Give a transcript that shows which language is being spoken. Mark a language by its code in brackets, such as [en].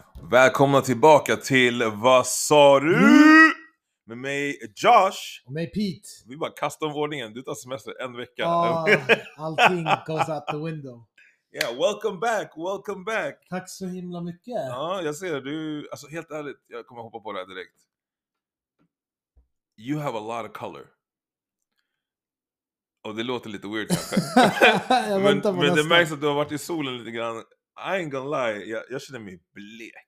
[sv] Välkomna tillbaka till Vad sa du? Med mig Josh. Och mig Pete. Vi bara kastar om ordningen. Du tar semester en vecka. Allting [en] goes out the window. Yeah, welcome back, welcome back. [sv] Tack så himla mycket. Ja, jag ser det. Du, alltså helt ärligt, jag kommer hoppa på det här direkt. [en] You have a lot of color. [sv] Och det låter lite weird kanske. men det märks att du har varit i solen lite grann. [en] I ain't gonna lie, [sv] jag känner mig blek.